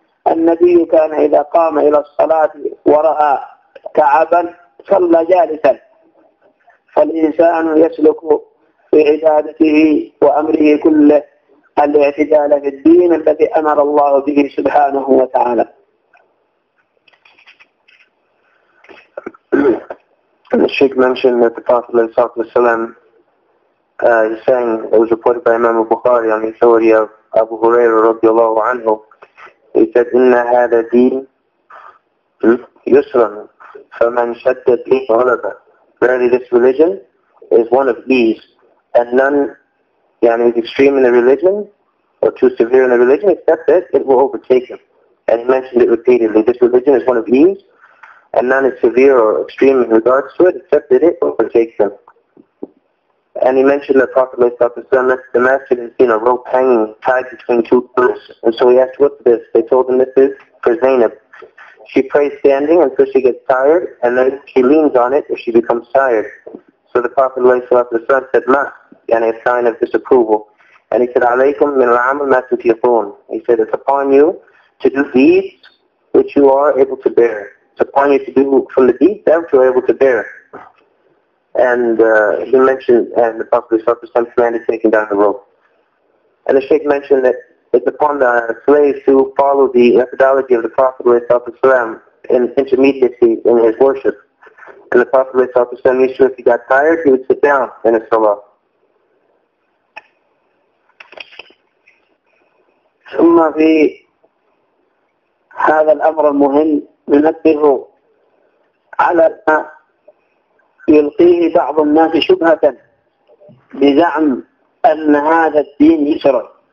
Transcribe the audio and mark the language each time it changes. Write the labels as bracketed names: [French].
[Arabic] النبي كان إذا قام إلى الصلاة ورأى كعبا صلى جالسا فالإنسان يسلك في عبادته وأمره كله الاعتدال في الدين الذي أمر الله به سبحانه وتعالى. [English] The Sheikh mentioned that the Prophet ﷺ is saying it was reported by Imam Bukhari on the authority of Abu Huraira [Arabic] رضي الله عنه. [English] He said, [Arabic] إن هذا دين يسرا فمن شد الدين غلبا. [English] Verily this religion is one of ease. And none, is extreme in the religion or too severe in the religion, except that it will overtake him. And he mentioned it repeatedly. This religion is one of ease, and none is severe or extreme in regards to it, except that it overtakes him. And he mentioned the Prophet ﷺ, the master had seen a rope hanging tied between two pillars. And so he asked, what's this? They told him, this is for Zainab. She prays standing until she gets tired, and then she leans on it if she becomes tired. So the Prophet ﷺ said, ma, yani a sign of disapproval. And he said, [Arabic] عليكم من العمل ما تطيقون. [English] He said, it's upon you to do deeds which you are able to bear. It's upon you to do from the deeds that you are able to bear. And he mentioned, and the Prophet ﷺ commanded taking down the rope. And the Shaykh mentioned that it's upon the slaves who follow the methodology of the Prophet ﷺ in intermediacy in his worship. And the Prophet ﷺ used to, if he got tired, he would sit down in a salah. [Arabic] ثم في هذا الأمر المهم ننبه على ما يلقيه بعض الناس شبهة بزعم أن هذا الدين يسر